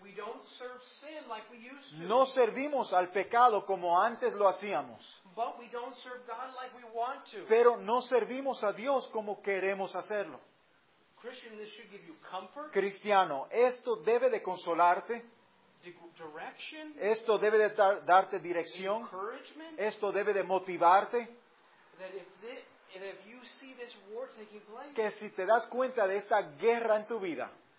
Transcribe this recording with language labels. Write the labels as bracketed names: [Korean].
[English] We don't serve sin like we used to. [Spanish] No servimos al pecado como antes lo hacíamos. [English] But we don't serve God like we want to. [Spanish] Pero no servimos a Dios como queremos hacerlo. [English] Christian, this should give you comfort. [Spanish] Cristiano, esto debe de consolarte. [English] Direction. [Spanish] Esto debe de darte dirección. [English] Encouragement. [Spanish] Esto debe de motivarte. [English] That if this, and if you see this war taking place, [Spanish] que si te das cuenta de esta guerra en tu vida,